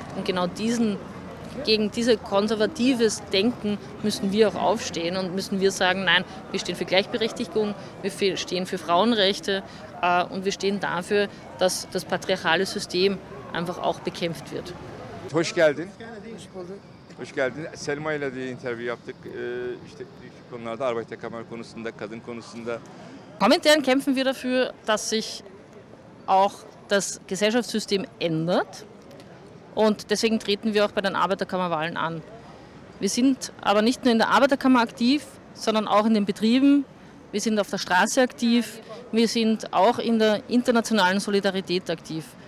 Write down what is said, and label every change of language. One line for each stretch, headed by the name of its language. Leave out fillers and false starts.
German: Und genau gegen dieses konservatives Denken müssen wir auch aufstehen und müssen wir sagen, nein, wir stehen für Gleichberechtigung, wir stehen für Frauenrechte und wir stehen dafür, dass das patriarchale System einfach auch bekämpft wird.
Turkish: Hoş geldin. Hoş geldin. Selma ile de interview yaptık. İşte şu konularda Arbeiterkammer konusunda, kadın konusunda.
German: Kommentaren kämpfen wir dafür, dass sich auch das Gesellschaftssystem ändert. Und deswegen treten wir auch bei den Arbeiterkammerwahlen an. Wir sind aber nicht nur in der Arbeiterkammer aktiv, sondern auch in den Betrieben. Wir sind auf der Straße aktiv. Wir sind auch in der internationalen Solidarität aktiv.